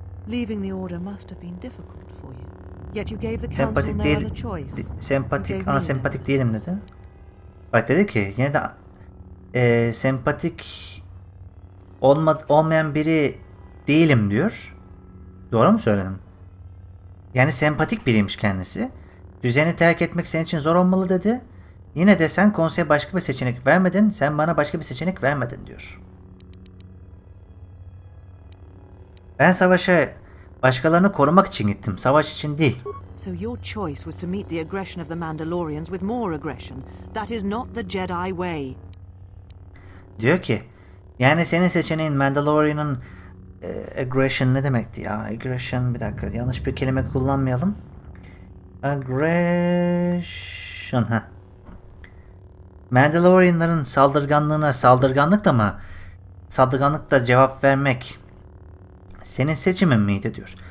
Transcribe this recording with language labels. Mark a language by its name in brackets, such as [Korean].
[English] Leaving the order must have been difficult for you. Yet you gave the council no other choice. [Turkish] Sempatik değilim dedi. Bak dedi ki yine de sempatik olmayan biri değilim diyor. Doğru mu söyledim? Yani sempatik biriymiş kendisi. Düzeni terk etmek senin için zor olmalı dedi. Yine de sen konseye başka bir seçenek vermedin. Sen bana başka bir seçenek vermedin diyor. Ben savaşa başkalarını korumak için gittim. Savaş için değil. [English] So your choice was to meet the aggression of the Mandalorians with more aggression. That is not the Jedi way. [Turkish] Diyor ki, yani senin seçeneğin Mandalorian'ın aggression ne demekti ya? Aggression, bir dakika, yanlış bir kelime kullanmayalım. Aggression, ha. Mandalorian'ların saldırganlığına saldırganlıkla mı? Saldırganlıkla cevap vermek senin seçimin miydi diyor.